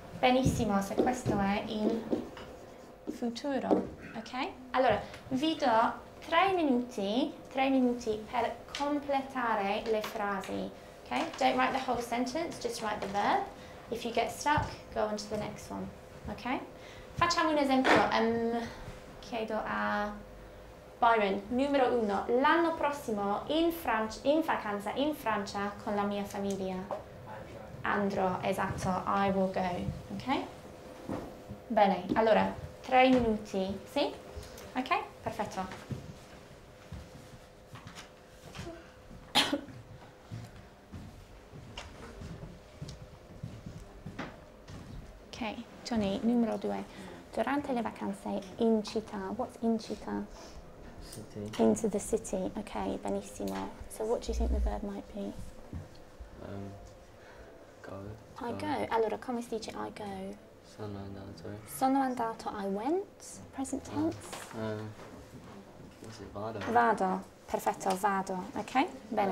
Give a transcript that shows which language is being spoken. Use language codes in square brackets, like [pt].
[it] Benissimo, se questo è il futuro, ok? Allora, vi do tre minuti per completare le frasi, ok? [en] Don't write the whole sentence, just write the verb. If you get stuck, go on to the next one, ok? [it] Facciamo un esempio, chiedo a Byron, numero uno, l'anno prossimo in vacanza in Francia con la mia famiglia. Andrò. Esatto, [en] I will go, [it] ok? Bene, allora, 3 minuti, sì? Ok, perfetto. Ok, Johnny, numero due, durante le vacanze in città, [en] what's in [it] città? [en] City. Into the city, okay, benissimo. So what do you think the verb might be? Go. I go. [it] Allora, come si dice I go? Sono andato, [en] I went, present tense. Was it vado? [it] Vado, perfetto, vado, okay, bene.